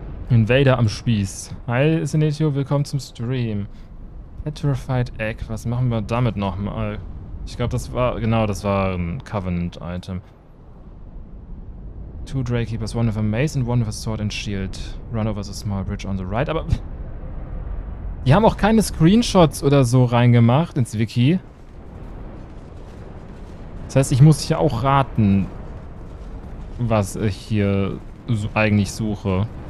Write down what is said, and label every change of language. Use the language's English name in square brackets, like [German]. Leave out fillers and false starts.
[German] Invader am Spieß. Hi, Sinetio, willkommen zum Stream. Petrified Egg, was machen wir damit nochmal? Ich glaube, das war, genau, das war ein Covenant-Item. [English] Two Draykeepers, one with a mace and one with a sword and shield. Run over the small bridge on the right, [German] aber... Die haben auch keine Screenshots oder so reingemacht ins Wiki. Das heißt, ich muss hier auch raten, was ich hier so eigentlich suche.